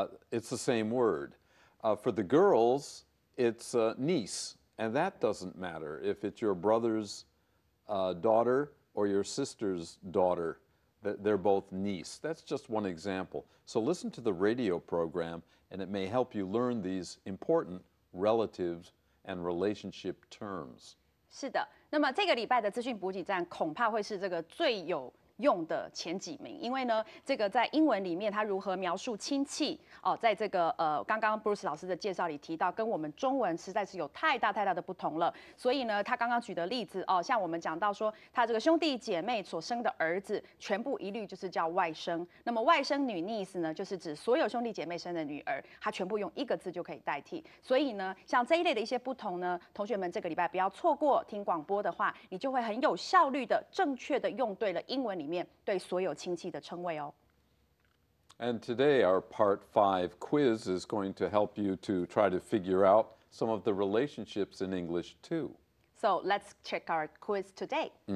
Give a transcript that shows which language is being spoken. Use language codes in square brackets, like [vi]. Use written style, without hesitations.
[en] It's the same word. For the girls, it's niece, and that doesn't matter if it's your brother's daughter or your sister's daughter, they're both niece. That's just one example. So listen to the radio program and it may help you learn these important relatives and relationship terms. [zh] 是的，那么这个礼拜的资讯补给站恐怕会是这个最有用的前几名，因为呢，这个在英文里面它如何描述亲戚哦，在这个刚刚 Bruce 老师的介绍里提到，跟我们中文实在是有太大太大的不同了。所以呢，他刚刚举的例子哦，像我们讲到说，他这个兄弟姐妹所生的儿子，全部一律就是叫外甥。那么外甥女 niece 呢，就是指所有兄弟姐妹生的女儿，他全部用一个字就可以代替。所以呢，像这一类的一些不同呢，同学们这个礼拜不要错过听广播的话，你就会很有效率的、正确的用对了英文里面对所有亲戚的称谓哦。 [en] And today our part 5 quiz is going to help you to try to figure out some of the relationships in English too. So let's check our quiz today.